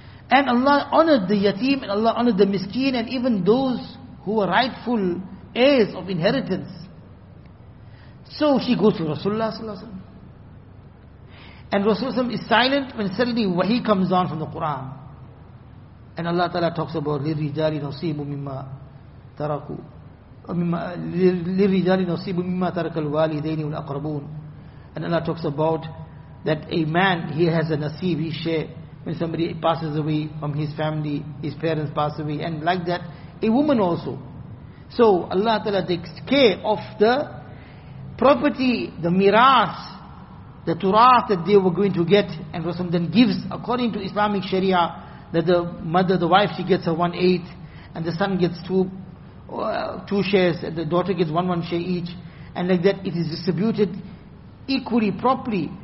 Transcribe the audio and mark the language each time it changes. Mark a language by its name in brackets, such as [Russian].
[English] And Allah honored the yatim, and Allah honored the miskin, and even those who were rightful heirs of inheritance. So she goes to Rasulullah. And Rasulullah is silent when suddenly wahi comes down from the Quran. And Allah Ta'ala talks about [Arabic] لِلْرِجَالِ نَصِيبُ مِمَّا تَرَكُوا لِلْرِجَالِ نَصِيبُ مِمَّا تَرَكَ الْوَالِدَيْنِ وَالْأَقْرَبُونَ. [English] And Allah talks about that a man, he has a nasib, he share, when somebody passes away from his family, his parents pass away, and like that, a woman also. So Allah Ta'ala takes care of the property, the miras, the turath that they were going to get, and Rasul then gives, according to Islamic Sharia, that the mother, the wife, she gets her 1/8, and the son gets two shares, and the daughter gets one share each, and like that it is distributed equally, properly.